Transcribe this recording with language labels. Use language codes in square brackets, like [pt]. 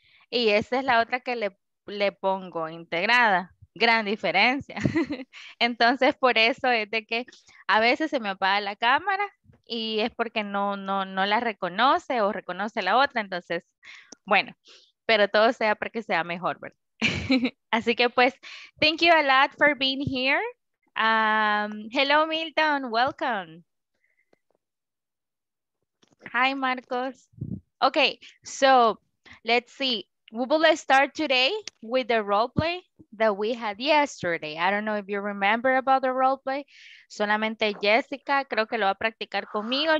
[es] Y esta es la otra que le pongo integrada. Gran diferencia. Entonces, por eso es de que a veces se me apaga la cámara y es porque no la reconoce o reconoce la otra. Entonces, bueno, pero todo sea para que sea mejor, ¿verdad? Así que, pues, [en] thank you a lot for being here. Hello, Milton. Welcome. Hi, Marcos. Okay, so let's see. We will start today with the role play that we had yesterday. I don't know if you remember about the role play. [es] Solamente Jessica creo que lo va a practicar conmigo.